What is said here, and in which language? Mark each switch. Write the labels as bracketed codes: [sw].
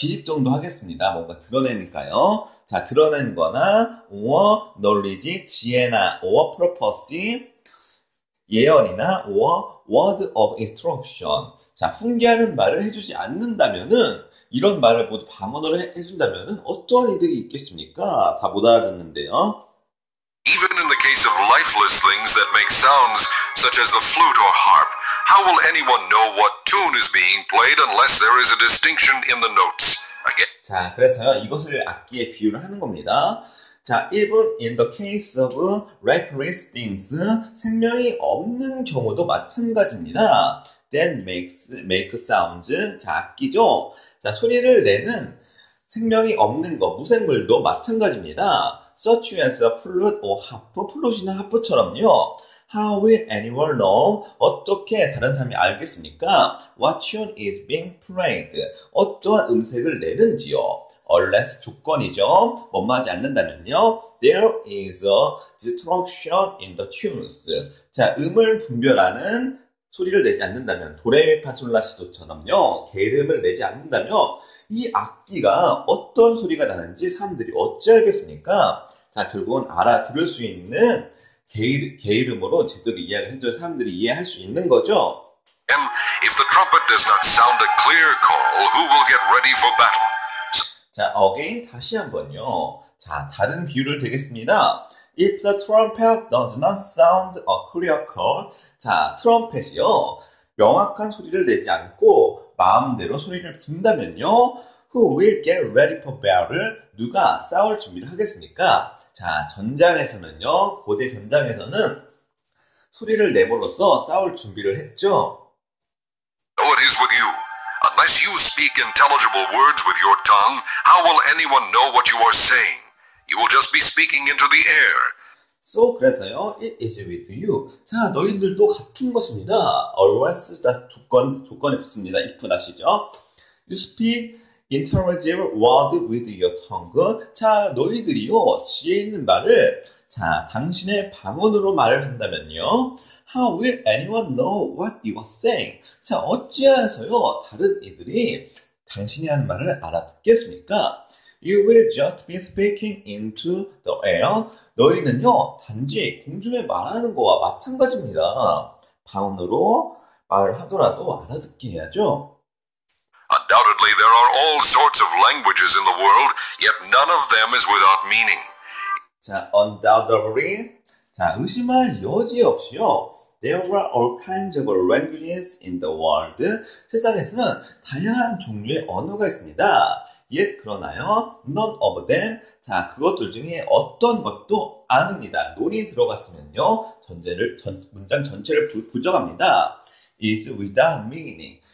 [ko] 지식 정도 하겠습니다. 뭔가 드러내니까요. 자, 드러낸 거나, [en] or knowledge, [ko] 지혜나, [en] or prophecy, [ko] 예언이나, [en] or word of instruction. [ko] 자, 훈계하는 말을 해주지 않는다면은, 이런 말을 모두 방언을 해준다면 어떠한 이득이 있겠습니까? 다 못 알아듣는데요. [en] Even in the case of lifeless things that make sounds such as the flute or harp, how will anyone know what tune is being played unless there is a distinction in the notes? Again. [ko] 자, 그래서요. 이것을 악기에 비유를 하는 겁니다. [en] 자, even in the case of lifeless things, [ko] 생명이 없는 경우도 마찬가지입니다. [en] That make sounds, [ko] 자, 악기죠. 자, 소리를 내는 생명이 없는 것, 무생물도 마찬가지입니다. [en] Such as a flute or harp, [ko] 플루시나 하프처럼요. [en] How will anyone know? [ko] 어떻게 다른 사람이 알겠습니까? [en] What tune is being played? [ko] 어떠한 음색을 내는지요? [en] Unless [ko] 조건이죠. 원만하지 않는다면요. [en] There is a distortion in the tunes. [ko] 자, 음을 분별하는 소리를 내지 않는다면, 도레미파솔라시도처럼요, 개음을 내지 않는다면, 이 악기가 어떤 소리가 나는지 사람들이 어찌 알겠습니까? 자, 결국은 알아들을 수 있는 개음으로 제대로 이야기를 해줘야 사람들이 이해할 수 있는 거죠. [en] If the trumpet does not sound a clear call, who will get ready for battle? [ko] 자, again, 다시 한 번요. 자, 다른 비유를 드리겠습니다. [en] If the trumpet does not sound a clear call, [ko] 자, 트럼펫이요. 명확한 소리를 내지 않고 마음대로 소리를 든다면요. [en] Who will get ready for battle? [ko] 누가 싸울 준비를 하겠습니까? 자, 전장에서는요. 고대 전장에서는 소리를 내므로써 싸울 준비를 했죠. [en] How it is with you? Unless you speak intelligible words with your tongue, how will anyone know what you are saying? You will just be speaking into the air. So, 그래서요, it is with you. [ko] 자, 너희들도 같은 것입니다. Always, 조건이 붙습니다. If 아시죠? [en] You speak intelligible word with your tongue. [ko] 자, 너희들이요, 지혜 있는 말을, 자, 당신의 방언으로 말을 한다면요. [en] How will anyone know what you are saying? [ko] 자, 어찌하여서요, 다른 이들이 당신이 하는 말을 알아듣겠습니까? [en] You will just be speaking into the air. [ko] 너희는요, 단지 공중에 말하는 것과 마찬가지입니다. 방언으로 말을 하더라도 알아듣게 해야죠. [en] Undoubtedly, there are all sorts of languages in the world, yet none of them is without meaning. [ko] 자, undoubtedly. 자, 의심할 여지 없이요. [en] There are all kinds of languages in the world. [ko] 세상에서는 다양한 종류의 언어가 있습니다. [en] Yet, 그러나요, none of them. [ko] 자, 그것들 중에 어떤 것도 아닙니다. 논이 들어갔으면요, 문장 전체를 부정합니다. [en] is without meaning.